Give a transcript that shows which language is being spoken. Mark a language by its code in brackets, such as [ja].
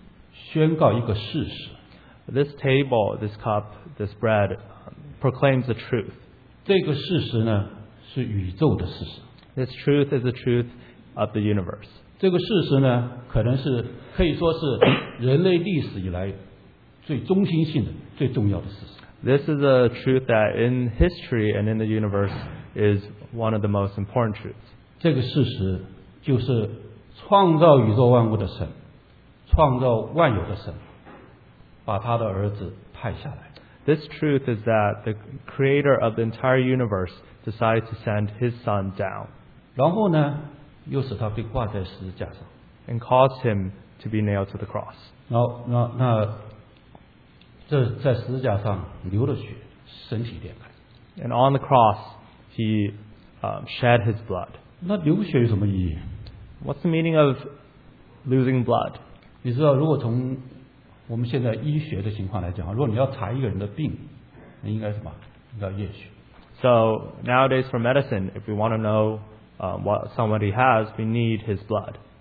[zh] 这个桌子、这个饼、这个杯，是宣告一个事实。 [en] This table, this cup, this bread. Proclaims the truth. [zh] 这个事实呢, 是宇宙的事实。 [en] This truth is the truth of the universe. [zh] 这个事实呢, 可能是, 可以说是人类历史以来最中心性的, 最重要的事实。 [en] This is a truth that in history and in the universe is one of the most important truths. [zh] 这个事实就是创造宇宙万物的神, 创造万有的神, 把他的儿子派下来。 [en] This truth is that the creator of the entire universe decided to send his son down. [zh] 然后呢, 又使他被挂在十字架上, [en] and caused him to be nailed to the cross. [zh] 然后, 这在十字架上流了血, 身体裂开, [en] and on the cross, he shed his blood. [zh] 那流血有什么意义? [en] What's the meaning of losing blood? [zh] 你知道如果从 我们现在医学的情况来讲，如果你要查一个人的病，应该什么？应该验血。 [en] So nowadays for medicine, if we want to know what somebody has, we need his blood.